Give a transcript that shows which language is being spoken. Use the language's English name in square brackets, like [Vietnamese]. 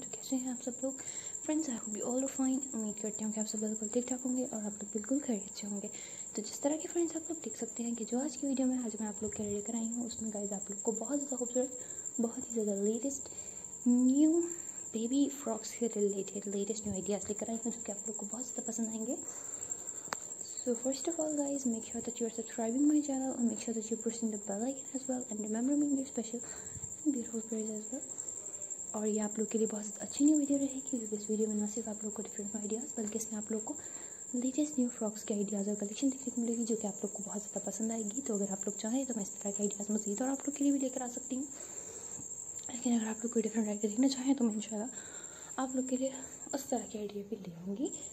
[Urdu] تو کیسے ہیں آپ سب لوگ friends? I hope you all are fine. امید کرتی ہوں کہ آپ سب بالکل ٹھیک ٹھاک ہوں گے اور آپ لوگ بالکل خیریت سے ہوں گے. تو جس طرح کے فرینڈز آپ لوگ دیکھ سکتے ہیں کہ جو آج کی ویڈیو میں آج میں آپ لوگ کے لیے لے کر آئی ہوں, اس میں گائز آپ لوگ کو بہت زیادہ خوبصورت, بہت ہی زیادہ لیٹسٹ نیو بیبی فراکس سے ریلیٹڈ لیٹسٹ نیو آئیڈیاز لے کر آئی ہوں, جو کہ آپ لوگ کو بہت زیادہ پسند آئیں گے. [English] So first of all guys, make sure that you are subscribing my channel and make sure that you press the bell icon as well and remember me in your special and beautiful prayers as well. [Urdu] اور یہ آپ لوگ کے لیے بہت زیادہ اچھی new video رہے گی, کیونکہ اس ویڈیو میں نہ صرف آپ لوگ کو ڈفرینٹ آئیڈیاز بلکہ اس میں آپ لوگ کو لیٹسٹ نیو فراکس کے آئیڈیاز اور کلیکشن دیکھنے کو ملے گی, جو کہ آپ لوگ کو بہت زیادہ پسند آئے گی. تو اگر آپ لوگ چاہیں تو میں اس طرح کے آئیڈیاز مزید اور آپ لوگ کے لیے بھی لے کر آ سکتی ہوں, لیکن اگر آپ لوگ کوئی ڈفرینٹ آئیڈیا دیکھنا چاہیں تو میں ان شاء اللہ آپ لوگ کے لیے اس طرح کے آئیڈیا بھی لے آؤں گی.